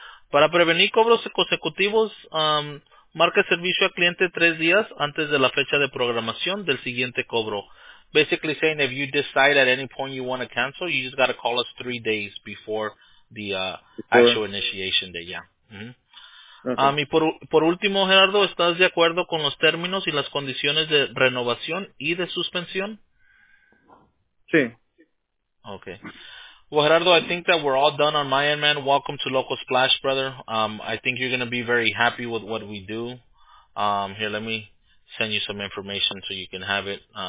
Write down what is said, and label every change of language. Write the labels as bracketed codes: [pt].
[es] Para prevenir cobros consecutivos, marque servicio al cliente 3 días antes de la fecha de programación del siguiente cobro. [en] Basically saying if you decide at any point you want to cancel, you just got to call us 3 days before the actual initiation day. Yeah. Mm-hmm. Okay. [es] Y por último, Gerardo, ¿estás de acuerdo con los términos y las condiciones de renovación y de suspensión? Sí. [en] Okay. Well, Gerardo, I think that we're all done on my end, man. Welcome to Locos Splash, brother. I think you're going to be very happy with what we do. Here, let me send you some information so you can have it.